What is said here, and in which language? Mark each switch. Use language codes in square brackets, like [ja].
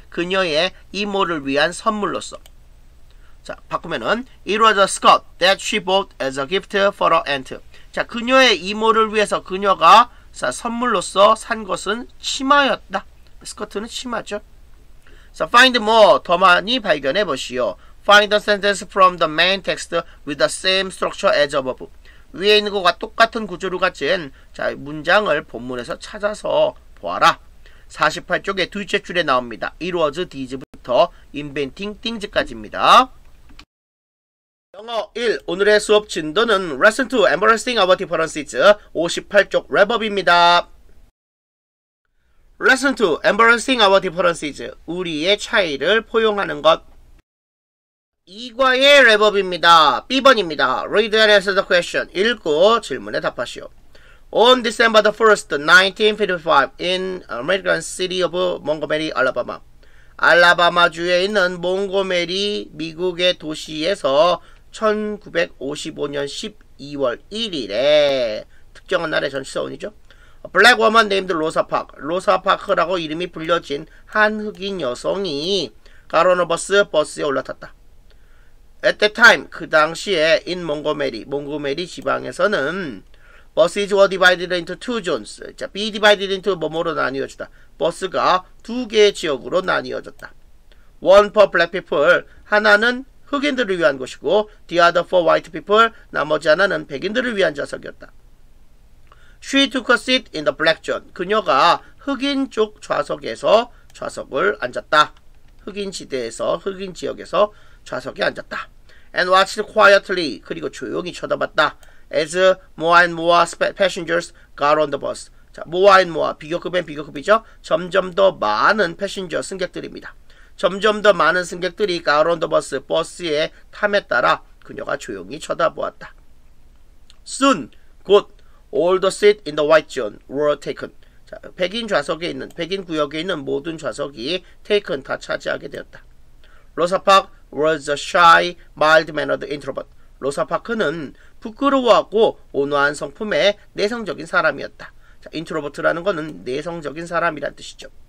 [ko] 그녀의 이모를 위한 선물로서. 자, 바꾸면은 [en] It was a skirt that she bought as a gift for her aunt. [ko] 자, 그녀의 이모를 위해서 그녀가 자, 선물로서 산 것은 치마였다. 스커트는 치마죠. [en] So find more. [ko] 더 많이 발견해 보시오. [en] Find the sentence from the main text with the same structure as above. [ko] 위에 있는 것과 똑같은 구조를 가진 자, 문장을 본문에서 찾아서 보아라. 48쪽에 둘째 줄에 나옵니다. It was these부터 inventing things까지입니다. 영어 1. 오늘의 수업 진도는 [en] Lesson 2. Embracing our differences. [ko] 58쪽 랩업입니다. Lesson 2. [en] Embracing our differences. [ko] 우리의 차이를 포용하는 것. 2과의 랩업입니다. B번입니다. [en] Read and answer the question. [ko] 읽고 질문에 답하시오. [en] On December the 1st, 1955, in American city of Montgomery, Alabama. [ko] 알라바마주에 있는 몽고메리 미국의 도시에서 1955년 12월 1일에 특정한 날의 전시서원이죠. [en] A black woman named Rosa Parks. [ko] Rosa Parks라고 이름이 불려진 한 흑인 여성이 가로노버스 버스에 올라탔다. [en] At that time, [ko] 그 당시에 [en] in Montgomery, [ko] 몽고메리 지방에서는 [en] buses were divided into two zones. [ko] 자, be divided into 뭐뭐로 나뉘어졌다. 버스가 두 개의 지역으로 나뉘어졌다. [en] One for black people, [ko] 하나는 흑인들을 위한 곳이고 [en] the other for white people, [ko] 나머지 하나는 백인들을 위한 좌석이었다. [en] She took a seat in the black zone. [ko] 그녀가 흑인 쪽 좌석에서 좌석을 앉았다. 흑인 지대에서, 흑인 지역에서 좌석에 앉았다. [en] And watched quietly, [ko] 그리고 조용히 쳐다봤다. [en] As more and more passengers got on the bus. [ko] 자, more and more, 비교급엔 비교급이죠. 점점 더 많은 패신저 승객들입니다. 점점 더 많은 승객들이 [en] got on the bus, [ko] 버스에 탐에 따라 그녀가 조용히 쳐다보았다. [en] Soon, [ko] 곧, [en] all the seats in the white zone were taken. [ko] 자, 백인 좌석에 있는, 백인 구역에 있는 모든 좌석이 taken, 다 차지하게 되었다. [en] Rosa Parks was a shy, mild-mannered introvert. [ko] 로사 파크는 부끄러워하고 온화한 성품의 내성적인 사람이었다. 자, 인트로버트라는 것은 내성적인 사람이란 뜻이죠.